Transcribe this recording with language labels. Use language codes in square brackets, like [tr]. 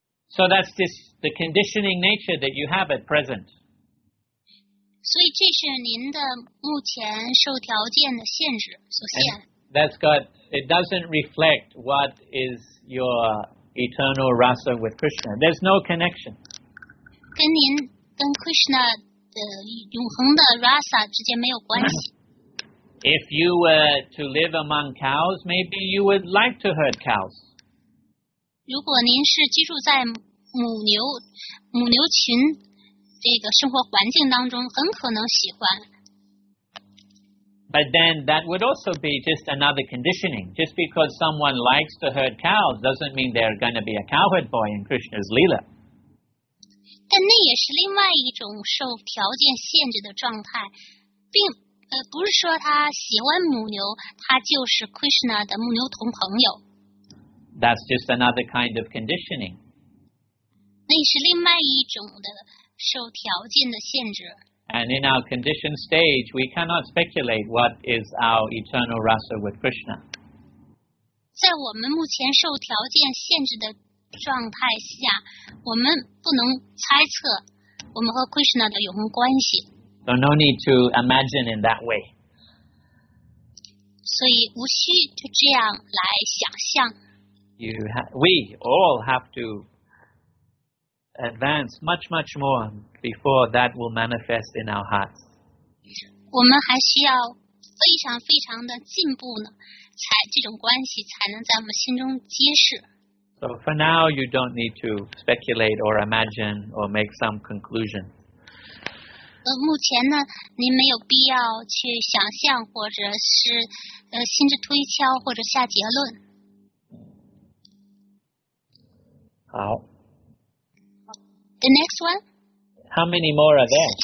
[en] So that's just the conditioning nature that you have at present. [zh] 所以这是您的目前受条件的限制所限。 [en] And、that's got, it doesn't reflect what is your eternal rasa with Krishna. There's no connection. [zh] 跟您跟 Krishna 的永恒的 rasa 之间没有关系。 [en] If you were to live among cows, maybe you would like to herd cows. [zh] 如果您是居住在母牛群这个生活环境当中，很可能喜欢。 [en] But then that would also be just another conditioning. Just because someone likes to herd cows doesn't mean they're going to be a cowherd boy in Krishna's Leela. [zh] 但那也是另外一种受条件限制的状态，并。不是说他喜欢母牛，他就是 Krishna 的母牛同朋友。 [en] That's just another kind of conditioning. [zh] 那是另外一种的受条件的限制。 [en] And in our conditioned stage, we cannot speculate what is our eternal rasa with Krishna. [zh] 在我们目前受条件限制的状态下，我们不能猜测我们和 Krishna 的永恒关系。 [en] So no need to imagine in that way. [zh] 所以无需就这样来想象。 [en] We all have to advance much, much more before that will manifest in our hearts. [zh] 我们还需要非常非常的进步呢，才这种关系才能在我们心中揭示。 [en] So for now, you don't need to speculate or imagine or make some conclusion. [zh] 目前呢，您没有必要去想象，或者是心智推敲，或者下结论。好。 [en] The next one. How many more are there?